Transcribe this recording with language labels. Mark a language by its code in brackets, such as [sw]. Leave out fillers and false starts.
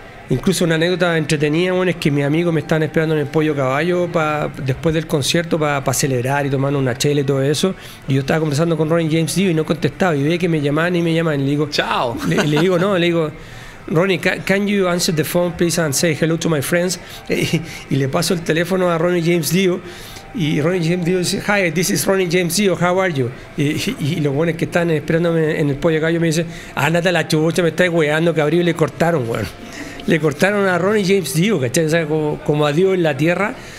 [es] Incluso una anécdota entretenida, bueno, es que mis amigos me estaban esperando en el Pollo Caballo después del concierto para celebrar y tomando una chela y todo eso. Y yo estaba conversando con Ronnie James Dio y no contestaba. Y veía que me llamaban. Y le digo, chao. Le digo, [en] Ronnie, can you answer the phone, please, and say hello to my friends? [es] Y le paso el teléfono a Ronnie James Dio. Y [en] Ronnie James Dio [es] dice, [en] hi, this is Ronnie James Dio, how are you? [es] Y los buenos que están esperándome en el Pollo Caballo me dicen, ándate a la chubucha, me estás weando, cabrío, y le cortaron, weón. Le cortaron a Ronnie James Dio, ¿cachai? O sea, como a Dios en la tierra.